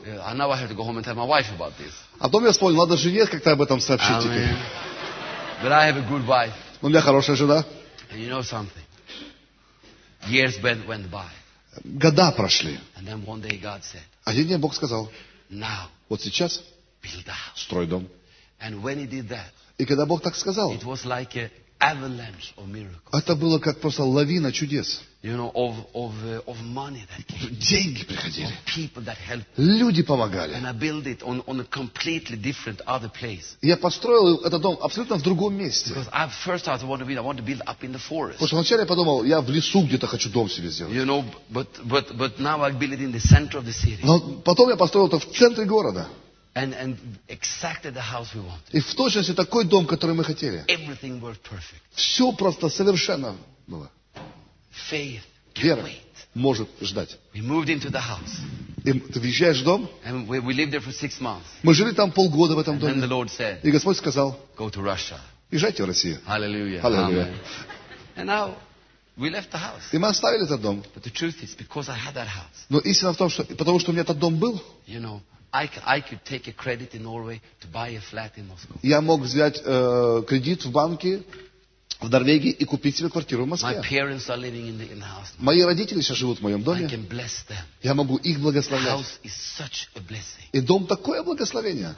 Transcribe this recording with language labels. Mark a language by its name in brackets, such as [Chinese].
[English] And now I have to go home and tell my wife about this. [Russian] А потом я вспомнил, надо жене как-то об этом сообщить теперь. [English] But I have a good wife. [Russian] У меня хорошая жена. [English] And you know something? Years went by. [Russian] Года прошли. [English] And then one day God said. [Russian] Один день Бог сказал. [English] Now. [Russian] Вот сейчас. [English] Build a house. [Russian] Строй дом. [English] And when he did that. [Russian] И когда Бог так сказал. [English] It was like a avalanche of miracles. [Russian] Это было как просто лавина чудес. [English] You know, of money that came. [Russian] Деньги приходили. [English] Of people that helped. [Russian] Люди помогали. [English] And I built it on a completely different other place. [Russian] Я построил этот дом абсолютно в другом месте. [English] Because I want to build up in the forest. [Russian] Потому что вначале я подумал, я в лесу где-то хочу дом себе сделать. [English] You know, but now I build it in the center of the city. [Russian] Но потом я построил это в центре города. [English] And exactly the house we wanted. [Russian] И в точности такой дом, который мы хотели. [English] Everything worked perfect. [Russian] Все просто совершенно было. [English] Faith [Russian] Вера [English] wait. [Russian] Может ждать. [English] We moved into the house. [Russian] И ты въезжаешь в дом. [English] And we lived there for 6 months. [Russian] Мы жили там полгода в этом [English] and [Russian] доме. [English] Then the Lord said, [Russian] и Господь сказал, [English] go to Russia. [Russian] Езжайте в Россию. [English] Hallelujah. Hallelujah. And now we left the house. [Russian] И мы оставили этот дом. [English] But the truth is, because I had that house. [Russian] Но истина в том, что потому что у меня этот дом был. [English] You know, I could take a credit in Norway to buy a flat in Moscow. [Russian] Я мог взять кредит в банке в Норвегии и купить себе квартиру в Москве. [English] My parents are living in the house. [Russian] Мои родители сейчас живут в моем доме. [English] I can bless them. [Russian] Я могу их благословлять. [English] House is such a blessing. [Russian] И дом такое благословение.